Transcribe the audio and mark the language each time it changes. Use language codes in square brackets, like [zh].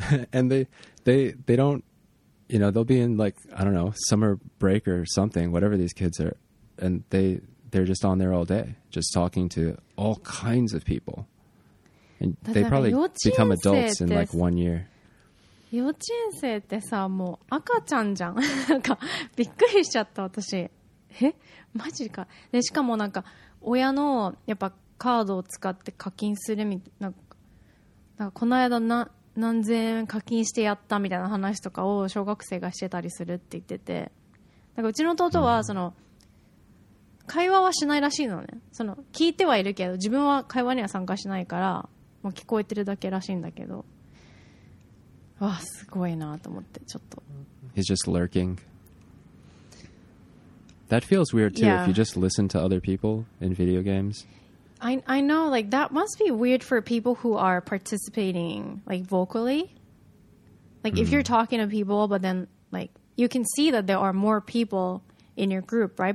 [en] And they don't, you know, they'll be in like, I don't know, summer break or something, whatever these kids are, and they're just on there all day, just talking to all kinds of people, and they probably become adults in like 1 year. [ja] 幼稚園生ってさ、もう赤ちゃんじゃん。なんかびっくりしちゃった私。え、マジか。でしかもなんか親のやっぱカードを使って課金するみたいな、なんかこの間な何千円課金してやったみたいな話とかを小学生がしてたりするって言ってて、なんかうちの弟はその会話はしないらしいのね。その聞いてはいるけど自分は会話には参加しないから、もう聞こえてるだけらしいんだけど、わあすごいなと思って、ちょっと [en] He's just lurking. That feels weird too、yeah. if you just listen to other people in video games. I know, like, that must be weird for people who are participating, like, vocally. Like, if you're talking to people, but then, like, you can see that there are more people in your group, right?